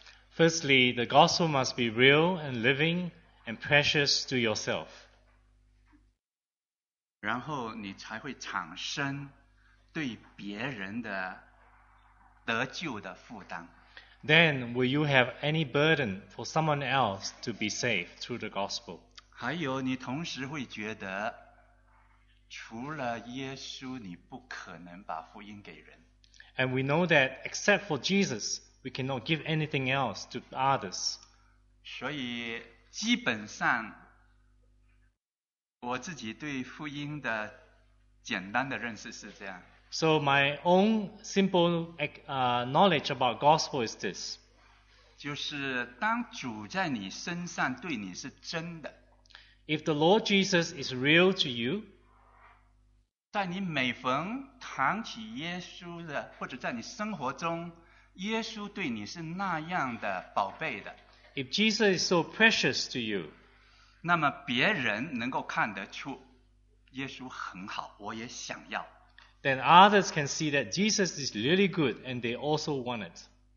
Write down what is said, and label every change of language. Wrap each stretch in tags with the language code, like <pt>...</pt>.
<en>Firstly, the gospel must be real and living and precious to yourself.</en> <zh>然后你才会产生对别人的得救的负担。</zh> <en>Then will you have any burden for someone else to be saved through the gospel?</en> <zh>还有你同时会觉得除了耶稣你不可能把福音给人。</zh> <en>And we know that except for Jesus, we cannot give anything else to others.</en> <zh>所以基本上我自己对福音的简单的认识是这样。</zh> <en>So my own simple knowledge about gospel is this.</en> <zh>就是当主在你身上对你是真的。</zh> <en>If the Lord Jesus is real to you,</en> <zh>在你每逢谈起耶稣的，或者在你生活中，耶稣对你是那样的宝贝的。</zh> <en>If Jesus is so precious to you,</en> <zh>那么别人能够看得出耶稣很好，我也想要。</zh> <en>Then others can see that Jesus is really good and they also want it.</en>